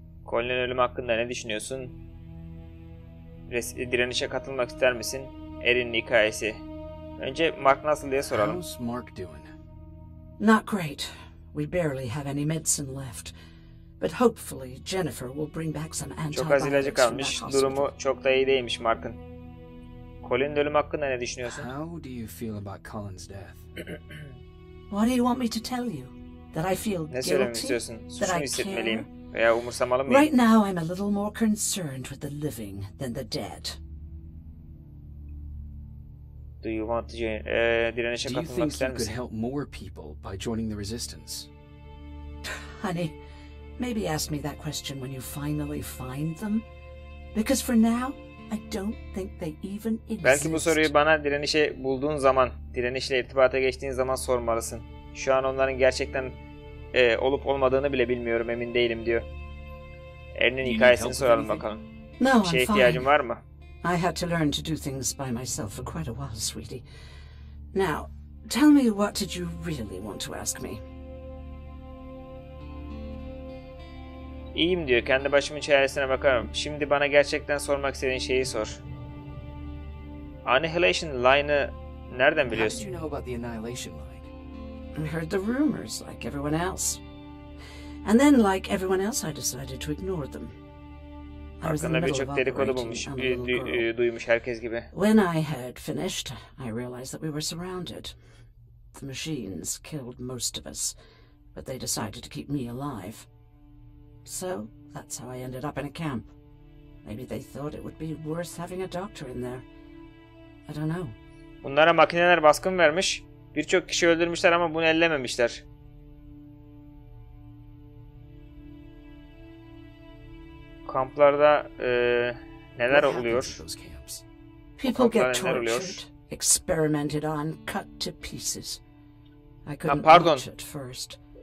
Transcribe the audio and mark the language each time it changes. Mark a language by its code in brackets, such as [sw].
[tr] Colin'in ölümü hakkında ne düşünüyorsun? Direnişe katılmak ister misin? Erin'in hikayesi. Önce Mark nasıl diye soralım. [en] How's Mark doing? Not great. We barely have any medicine left. But hopefully Jennifer will bring back some antibiotics. [tr] Çok az ilacı kalmış. Durumu çok da iyi değilmiş Mark'ın. Colin'in ölümü hakkında ne düşünüyorsun? [en] How do you feel about Colin's death? What do you want me to tell you? That I feel [tr] ne söylemek istiyorsun? Suçunu hissetmeliyim veya umursamalı mıyım? [en] Right now I'm a little more concerned with the living than the dead. Do you want to join? [tr] Direnişe katılmak ister misin? [en] Do you think you could help more people by joining the resistance? Honey, maybe ask me that question when you finally find them. Because for now, I don't think they even exist. [tr] Belki bu soruyu bana direnişe bulduğun zaman, direnişle irtibata geçtiğin zaman sormalısın. Şu an onların gerçekten olup olmadığını bile bilmiyorum, emin değilim diyor. Erin'in hikayesini soralım bakalım. [en] No, [tr] bir şeye ihtiyacın var mı? [en] I had to learn to do things by myself for quite a while, sweetie. Now, tell me what did you really want to ask me? [tr] İyiyim diyor, kendi başımın çaresine bakarım. Şimdi bana gerçekten sormak istediğin şeyi sor. Annihilation line'ı nereden biliyorsun? [en] How did you know about the Annihilation line? I heard the rumors like everyone else. And then like everyone else I decided to ignore them. [tr] Hakkında birçok dedikodu bulmuş, duymuş herkes gibi. [en] When I had finished, I realized that we were surrounded. The machines killed most of us, but they decided to keep me alive. So that's how I ended up in a camp. Maybe they thought it would be worth having a doctor in there. I don't know. [tr] Bunlara makineler baskın vermiş, birçok kişi öldürmüşler ama bunu ellememişler. Kamplarda neler oluyor? [en] People get tortured, experimented on, cut to pieces. I couldn't watch it first.